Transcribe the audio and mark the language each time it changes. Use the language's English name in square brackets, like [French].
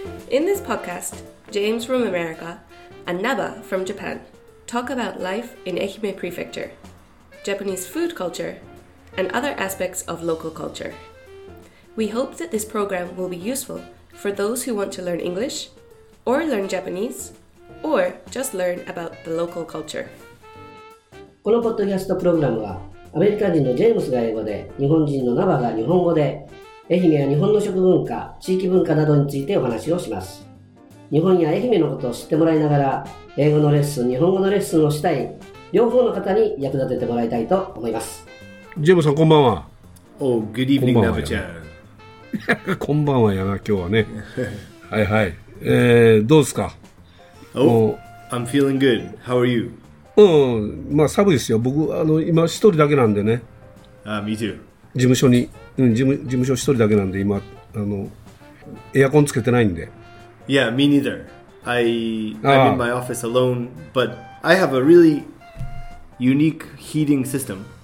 [English] In this podcast, James from America and Naba from Japan talk about life in Ehime Prefecture, Japanese food culture, and other aspects of local culture. We hope that this program will be useful for those who want to learn English, or learn Japanese, or just learn about the local culture. [Japanese] このポッドキャストプログラムは、アメリカ人のジェームスが英語で、日本人のナバが日本語で、愛媛や日本の食文化、地域文化などについてお話をします。日本や愛媛のことを知ってもらいながら、英語のレッスン、日本語のレッスンをしたい、両方の方に役立ててもらいたいと思います。ジェームスさん、こんばんは。 [English] Oh, good evening, ナバちゃん。 [Japanese] こんばんはやな、今日はね。はいはい。どうですか [English] Oh, I'm feeling good. How are you? [Japanese] うん、まあ寒いですよ。僕今一人だけなんでね。 [English] ああ、me too。 [Japanese] 事務所に、うん、事務所一人だけなんで今エアコンつけてないんで。 [English] Yeah, me neither. I'm in my office alone, but I have a really unique heating system.